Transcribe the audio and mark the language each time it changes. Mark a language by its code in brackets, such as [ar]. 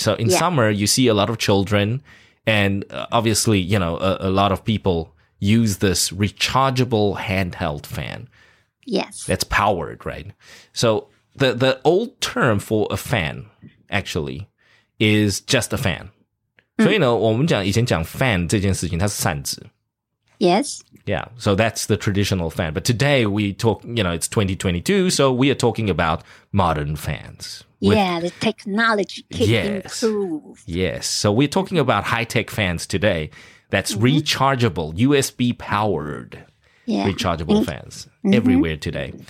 [en] So in summer, you see a lot of children. And obviously, you know, a lot of people use this rechargeable handheld fan. Yes. That's powered, right? So the old term for a fan, actually, is just a fan. Mm. [zh] 所以呢,我们讲 fan这件事情,它是扇子. [en] Yes. Yeah, so that's the traditional fan. But today we talk, you know, it's 2022, so we are talking about modern fans. The technology can improve. Yes, so we're talking about high-tech fans today that's rechargeable, USB-powered rechargeable fans everywhere today.